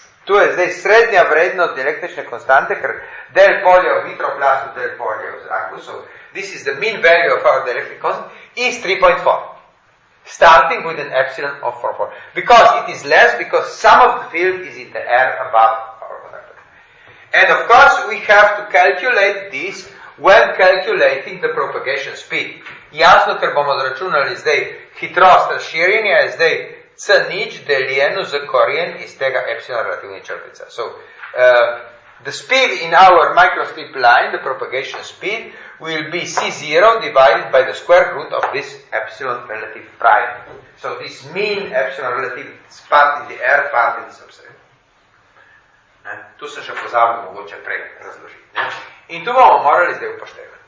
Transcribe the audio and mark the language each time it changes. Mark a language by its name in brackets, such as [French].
[Slovenian] Tu je zdaj srednja vrednost električne konstante, ker del polja v vitroplastu, del polja v zraku, [English] so this is the mean value of our dielectric constant, is 3.4. Starting with an epsilon of 4.4. Because it is less, because some of the field is in the air above or whatever. And of course, we have to calculate this when calculating the propagation speed. [Slovenian] Jasno, ker bomo zračunali zdaj hitrost razširjenja, je zdaj c nič deljeno za korijen iz tega epsilon relativni črtica. So, [English] The speed in our microstrip line, the propagation speed, will be C0 divided by the square root of this epsilon relative prime. So this mean epsilon relative part in the air, part in the substrate. [Slovenian] Tu se še pozabil mogoče prej razložiti. In to bomo morali zdaj upoštevati.